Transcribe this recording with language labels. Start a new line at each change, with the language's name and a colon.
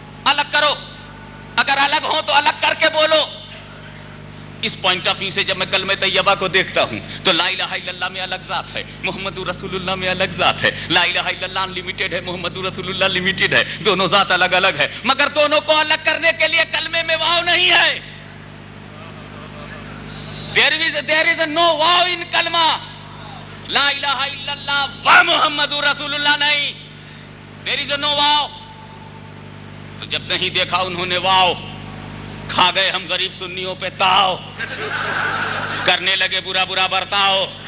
Urdu: الگ کرو, اگر الگ ہو تو الگ کر کے بولو. اس پوائنٹ آف ویو سے جب میں کلمہ طیبہ کو دیکھتا ہوں تو لا الہ الا اللہ میں الگ ذات ہے, محمد رسول اللہ میں الگ ذات ہے, لا الہ الا اللہ انلیمیٹڈ ہے, محمد رسول اللہ لمیٹڈ ہے, دونوں ذات الگ الگ ہے. مگر دونوں کو الگ کرنے کے لیے کلمے میں واو نہیں ہے.
English: There is no wow in کلمہ.
Urdu: لا الہ الا اللہ و محمد رسول اللہ نہیں,
English: There is no wow.
Urdu: تو جب نہیں دیکھا انہوں نے واو, کھا گئے ہم غریب سنیوں پہ تاؤ, کرنے لگے برا برا برتاؤ.